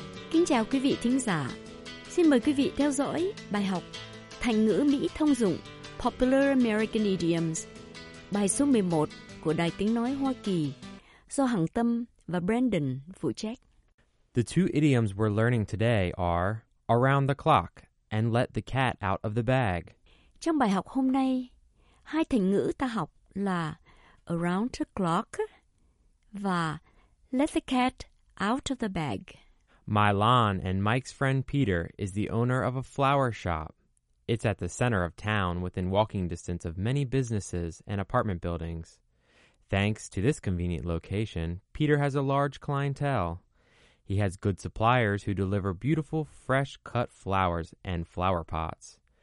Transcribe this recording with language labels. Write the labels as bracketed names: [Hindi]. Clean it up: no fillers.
[Vietnamese] Kính chào quý vị thính giả. Xin mời quý vị theo dõi bài học thành ngữ Mỹ thông dụng Popular American Idioms, bài số 11 của Đài Tiếng Nói Hoa Kỳ, do Hằng Tâm và Brandon phụ trách. [English] The two idioms we're learning today are around the clock and let the cat out of the bag. [Vietnamese] Trong bài học hôm nay, hai thành ngữ ta học là [English] around the clock [Vietnamese] và [English] let the cat out of the bag. Milan and Mike's friend Peter is the owner of a flower shop. It's at the center of town within walking distance of many businesses and apartment buildings. Thanks to this convenient location, Peter has a large clientele. He has good suppliers who deliver beautiful, fresh-cut flowers and flower pots.